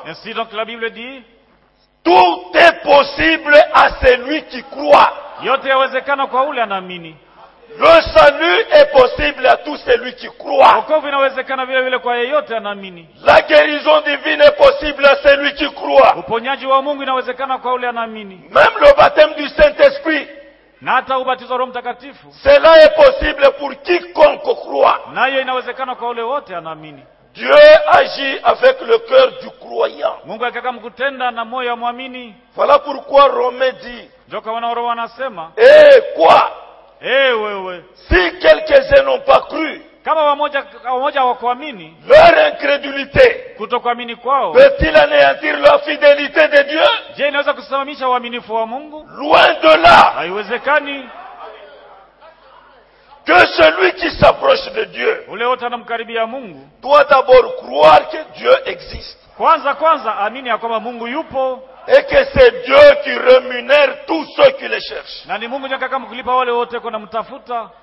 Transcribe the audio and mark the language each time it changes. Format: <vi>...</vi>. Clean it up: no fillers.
<fr>Ainsi donc la Bible dit. Tout est possible à celui qui croit.</fr> <sw>Yote yawezekana kwa ule anaamini.</sw> <fr>Le salut est possible à tout celui qui croit.</fr> <sw>Wokovu inawezekana vile vile kwa yeyote anaamini.</sw> <fr>La guérison divine est possible à celui qui croit.</fr> <sw>Uponyaji wa Mungu inawezekana kwa ule anaamini.</sw> <fr>Même le baptême du Saint-Esprit.</fr> <sw>Na hata ubatizo wa Roho Mtakatifu.</sw> <fr>Cela est possible pour quiconque croit.</fr> <sw>Nayo inawezekana kwa ule wote anaamini.</sw> <fr>Dieu agit avec le cœur du croyant.</fr> <sw>Mungu akakam kutenda na moyo wa muamini.</sw> <fr>Voilà pourquoi Romain dit.</fr> <sw>Joka wana roho anasema.</sw> <fr>Eh quoi?</fr> <sw>Eh wewe.</sw> <fr>Si quelques-uns n'ont pas cru.</fr> <sw>Kama wamoja hawakuamini.</sw> <fr>Leur incrédulité.</fr> <sw>Kutokuamini kwao.</sw> <fr>Peut-il anéantir la fidélité de Dieu?</fr> <sw>Je, inaweza kusimamisha uaminifu wa Mungu?</sw> <fr>Loin de là.</fr> <sw>Haiwezekani.</sw> <fr>Que celui qui s'approche de Dieu.</fr> <sw>Ule wote anamkaribia Mungu.</sw> <fr>Doit d'abord croire que Dieu existe.</fr> <sw>Kwanza amini ya kwamba Mungu yupo.</sw> <fr>Et que c'est Dieu qui rémunère tous ceux qui le cherchent.</fr> <sw>Na ni Mungu ndiye akamkulipa wale wote kwa namtafuta.</sw>